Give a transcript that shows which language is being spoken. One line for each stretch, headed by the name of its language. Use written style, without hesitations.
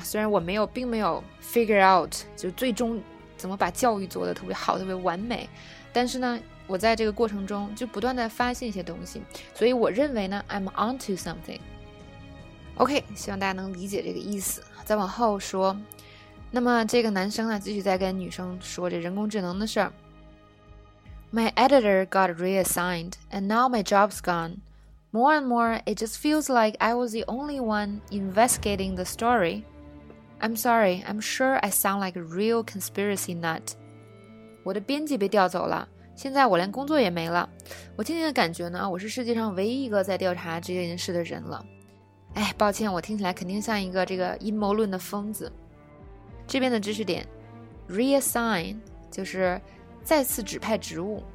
Chinese: 虽然我并没有 figure out 就最终怎么把教育做得特别好特别完美，但是呢我在这个过程中就不断地发现一些东西，所以我认为呢 I'm onto something。 OK， 希望大家能理解这个意思。再往后说，那么这个男生呢继续在跟女生说这人工智能的事儿。
English: My editor got reassigned and now my job's gone. More and more it just feels like I was the only one investigating the story. I'm sorry, I'm sure I sound like a real conspiracy nut.
Chinese: 我的编辑被调走了，现在我连工作也没了，我渐渐的感觉呢，我是世界上唯一一个在调查这件事的人了。哎，抱歉，我听起来肯定像一个这个阴谋论的疯子。这边的知识点 ，reassign 就是再次指派职务。